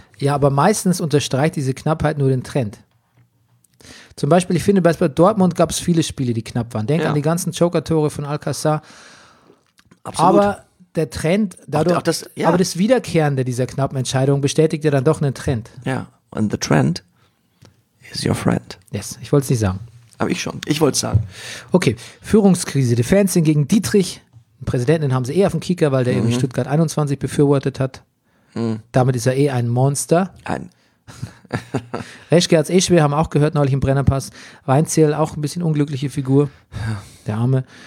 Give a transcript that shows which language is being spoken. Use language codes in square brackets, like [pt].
[de] Ja, aber meistens unterstreicht diese Knappheit nur den Trend. Zum Beispiel, ich finde, bei Dortmund gab es viele Spiele, die knapp waren. Denk an die ganzen Joker-Tore von Alcázar. Absolut. Aber der Trend, dadurch, auch das, aber das Wiederkehrende dieser knappen Entscheidung bestätigt ja dann doch einen Trend. [en] Ja, and the trend is your friend. [de] Yes, ich wollte es nicht sagen. Habe ich schon. Ich wollte es sagen. Okay, Führungskrise. Die Fans sind gegen Dietrich. Den Präsidenten haben sie eh auf dem Kicker, weil der irgendwie Stuttgart 21 befürwortet hat. Mhm. Damit ist er eh ein Monster. Ein. Reschke hat es eh schwer, haben auch gehört neulich im Brennerpass. Weinzierl, auch ein bisschen unglückliche Figur. Der Arme.